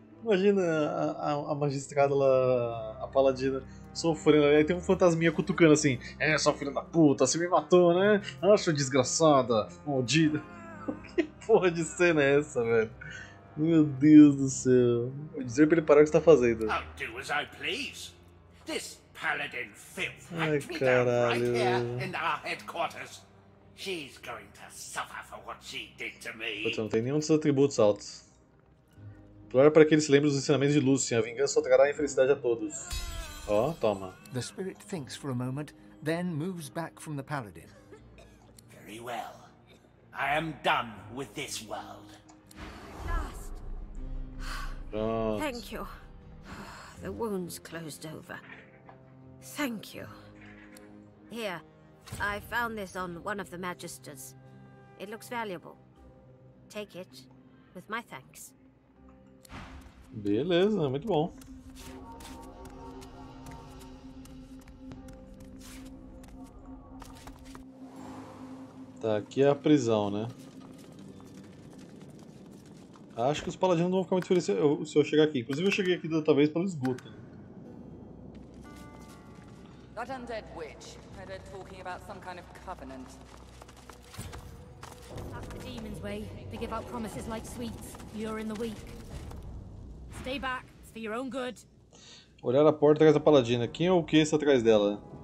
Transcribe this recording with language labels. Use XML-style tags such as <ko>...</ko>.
<pt>Imagina a magistrada lá, a paladina, sofrendo. Aí tem um fantasminha cutucando assim: é, sua filha da puta, você me matou, né? Ah, sua desgraçada, maldita. Que porra de cena é essa, velho? Meu Deus do céu. Vou dizer pra ele parar o que você tá fazendo. Eu vou fazer o que eu quiser.</pt> <en>This paladin filth hacked me down right here in our headquarters. She's going to suffer for what she did to me.</en> <pt>Puta, não tem nenhum dos atributos altos. Claro, para que ele se lembre dos ensinamentos de Lucian, a vingança só trará infelicidade a todos. Ó, oh, toma.</pt> <en>The spirit thinks for a moment, then moves back from the paladin. Very well. I am done with this world. Last.</en> <pt>Pronto.</pt> <en>Thank you. The wounds closed over. Thank you. Here, I found this on one of the magisters. It looks valuable. Take it, with my thanks.</en> <pt>Beleza, muito bom. Tá, aqui é a prisão, né? Acho que os paladinos não vão ficar muito felizes se eu chegar aqui. Inclusive, eu cheguei aqui da outra vez pelo esgoto.</pt> <en>That undead witch. Heard her talking about some kind of covenant. That's the demon's way. They give out promises like sweets. You're in the weak. Stay back. It's for your own good.</en> <pt>Olhar a porta atrás da paladina. Quem é o que está atrás dela?</pt>